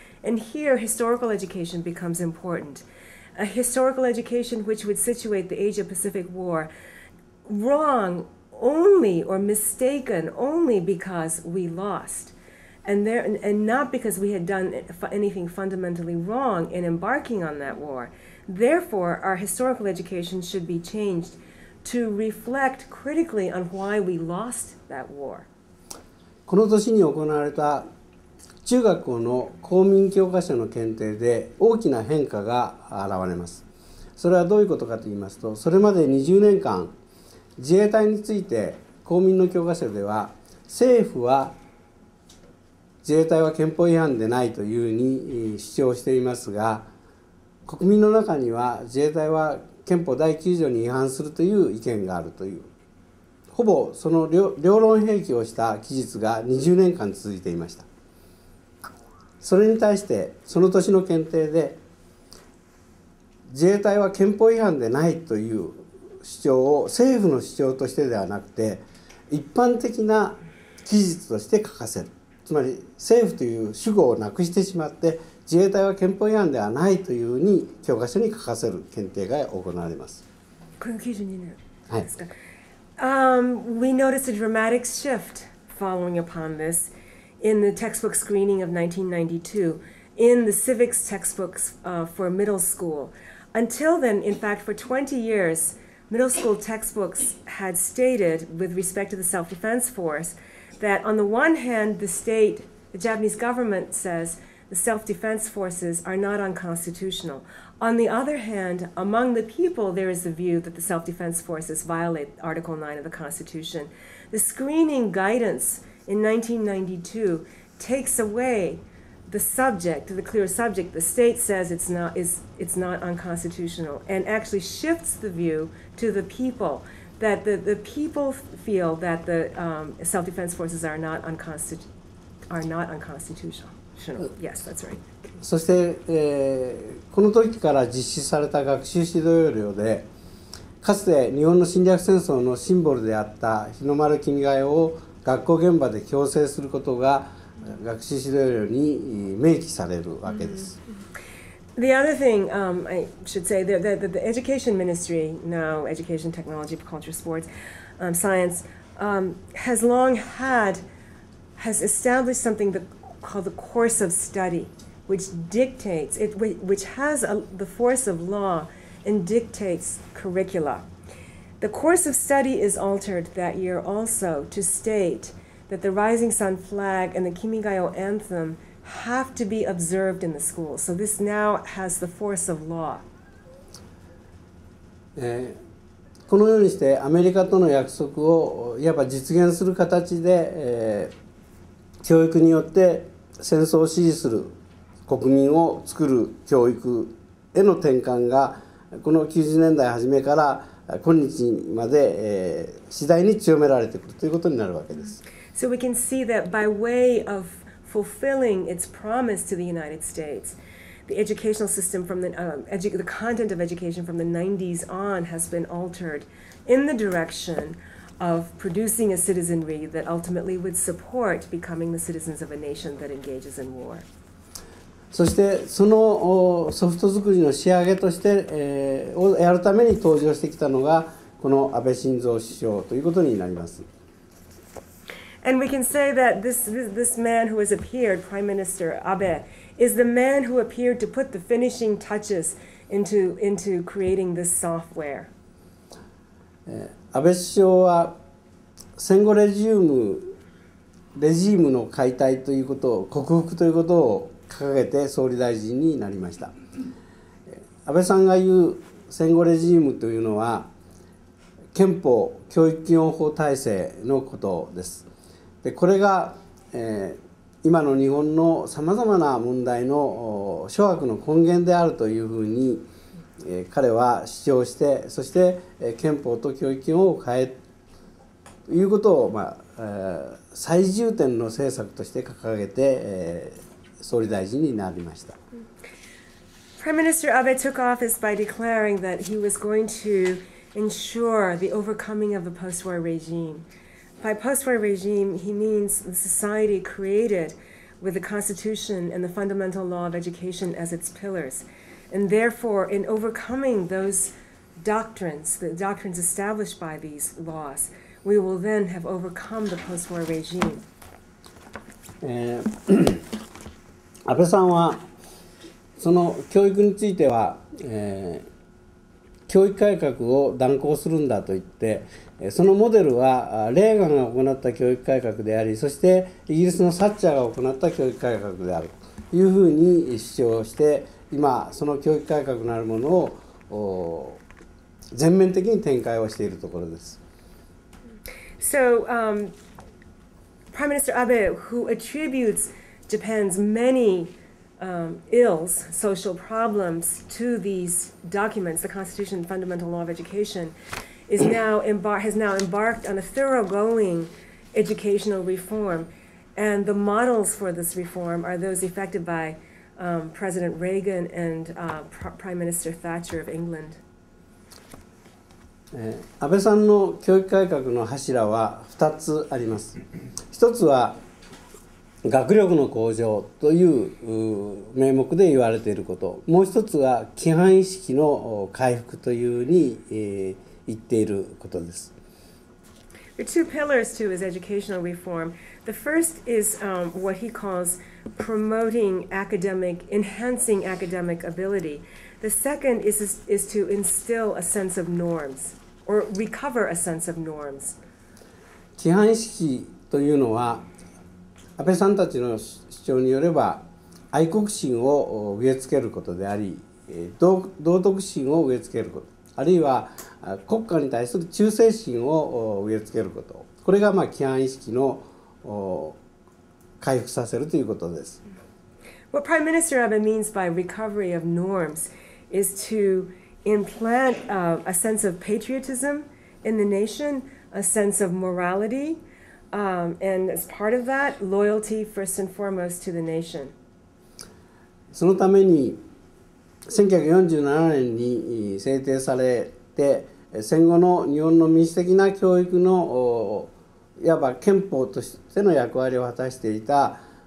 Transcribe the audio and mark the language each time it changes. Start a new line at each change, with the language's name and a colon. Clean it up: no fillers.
English: And here historical education becomes important. A historical education which would situate the Asia-Pacific War wrong only or mistaken only because we lost. And there, and not because we had done anything fundamentally wrong in embarking on that war. Therefore, our historical education should be changed to reflect critically on why we lost that war.
Japanese: この年に行われた中学校の公民教科書の検定で大きな変化が現れます。それはどういうことかと言いますと、それまで20年間、自衛隊について公民の教科書では、政府は自衛隊は憲法違反でないというふうに主張していますが、国民の中には自衛隊は憲法第9条に違反するという意見があるという、ほぼその両論併記をした記述が20年間続いていました。それに対してその年の検定で自衛隊は憲法違反でないという主張を政府の主張としてではなくて一般的な記述として書かせる、つまり政府という主語をなくしてしまって自衛隊は憲法違反ではないというふうに教科書に書かせる検定が行われます。この92年ですか、はい。
English: We noticed a dramatic shift following upon thisIn the textbook screening of 1992, in the civics textbooks for middle school. Until then, in fact, for 20 years, middle school textbooks had stated with respect to the self-defense force that on the one hand, the state, the Japanese government says the self-defense forces are not unconstitutional. On the other hand, among the people, there is the view that the self-defense forces violate Article 9 of the Constitution. The screening guidance in 1992 takes away the subject, the clear subject, the state says it's not unconstitutional, and actually shifts the view to the people, that the people feel that the self-defense forces are not unconstitutional. Yes, that's right.
Japanese: そして、この時から実施された学習指導要領で、かつて日本の侵略戦争のシンボルであった日の丸君が代を学校現場で強制することが学習指導要領に明記されるわけです。
English: The other thing I should say that the Education Ministry, now Education, Technology, Culture, Sports, Science, has established something called the course of study, which dictates it, which has the force of law and dictates curricula. The course of study is altered that year also to state that the Rising Sun flag and the Kimigayo anthem have to be observed in the school. So this now has the force of law.
Japanese: このようにしてアメリカとの約束をいわば実現する形で、教育によって戦争を支持する国民を作る教育への転換がこの90年代初めから今日まで、次第に強められていくということになるわけです。
English: So we can see that by way of fulfilling its promise to the United States, the educational system from the content of education from the 90s on has been altered in the direction of producing a citizenry that ultimately would support becoming the citizens of a nation that engages in war.
Japanese: そしてそのソフト作りの仕上げとして、をやるために登場してきたのがこの安倍晋三首相ということになります。
English: And we can say that this man who has appeared, Prime Minister Abe, is the man who appeared to put the finishing touches into creating this software.
Japanese: 安倍首相は戦後レジームの解体ということを克服ということを掲げて総理大臣になりました。安倍さんが言う戦後レジームというのは憲法教育基本法体制のことです。でこれが、今の日本のさまざまな問題の諸悪の根源であるというふうに、彼は主張して、そして、憲法と教育基本を変えということを、最重点の政策として掲げて、総理大臣になりました。
English: Prime Minister Abe took office by declaring that he was going to ensure the overcoming of the post-war regime. By post-war regime, he means the society created with the Constitution and the fundamental law of education as its pillars. And therefore, in overcoming those doctrines, the doctrines established by these laws, we will then have overcome the post-war regime.
Japanese: 安倍さんはその教育については、教育改革を断行するんだと言って、そのモデルはレーガンが行った教育改革であり、そしてイギリスのサッチャーが行った教育改革であるというふうに主張して、今その教育改革のあるものを全面的に展開をしているところです。
English: So, Prime Minister Abe, who attributes Japan's manyills, social problems to these documents, the Constitution and Fundamental Law of Education, has now embarked on a thoroughgoing educational reform. And the models for this reform are those effected by President Reagan and Prime Minister Thatcher of England.
Japanese: 安倍さんの教育改革の柱は2つあります。 1つは学力の向上という名目で言われていること、もう一つは規範意識の回復というふうに言っていることです。
English: There are two pillars to his educational reform. The first is what he calls enhancing academic ability. The second is to instill a sense of norms or recover a sense of norms.
Japanese: 規範意識というのは安倍さんたちの主張によれば愛国心を植え付けることであり、道徳心を植え付けること、あるいは国家に対する忠誠心を植え付けること、これが規範意識の回復させるということです。
English: What Prime Minister Abe means by recovery of norms is to implant a sense of patriotism in the nation, a sense of morality,and as part of that, loyalty first and foremost to the nation.
Japanese: そのために1947年に制定されて、戦後の日本の民主的な教育のいわば憲法としての役割を果たしていた